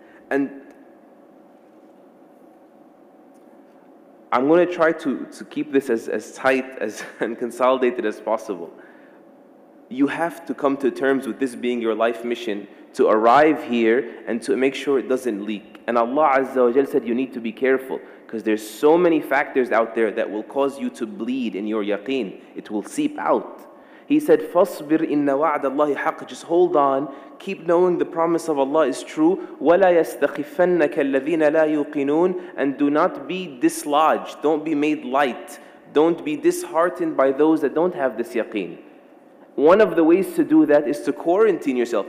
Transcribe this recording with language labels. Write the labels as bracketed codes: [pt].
[en] And I'm going to try to keep this as tight as and consolidated as possible. You have to come to terms with this being your life mission, to arrive here and to make sure it doesn't leak. And Allah Azza wa Jal said you need to be careful because there's so many factors out there that will cause you to bleed in your yaqeen. It will seep out. He said, [ar] فَصْبِرْ إِنَّ وَعْدَ اللَّهِ حَقٌّ. [en] Just hold on. Keep knowing the promise of Allah is true. [ar] وَلَا يَسْتَخِفَنَّكَ الَّذِينَ لَا يُوقِنُونَ. [en] And do not be dislodged. Don't be made light. Don't be disheartened by those that don't have this yaqeen. One of the ways to do that is to quarantine yourself.